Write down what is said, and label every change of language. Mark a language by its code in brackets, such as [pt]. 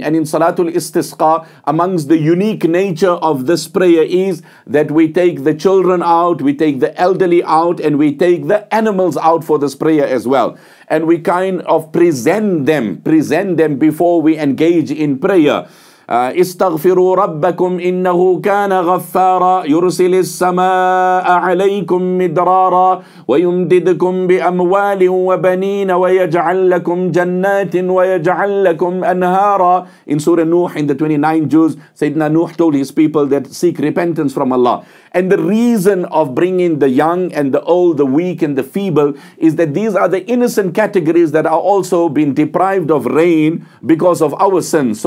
[en] And in Salatul Istisqa, amongst the unique nature of this prayer is that we take the children out, we take the elderly out, and we take the animals out for this prayer as well. And we kind of present them before we engage in prayer. [ar] استغفروا ربكم إنه كان غفارا يرسل السماء عليكم مدرارا ويمددكم بأموال وبنين ويجعل لكم جنات ويجعل لكم أنهارا. [en] In Surah Nuh, in the 29 Juz, Sayyidina Nuh told his people that seek repentance from Allah. And the reason of bringing the young and the old, the weak and the feeble, is that these are the innocent categories that are also being deprived of rain because of our sins.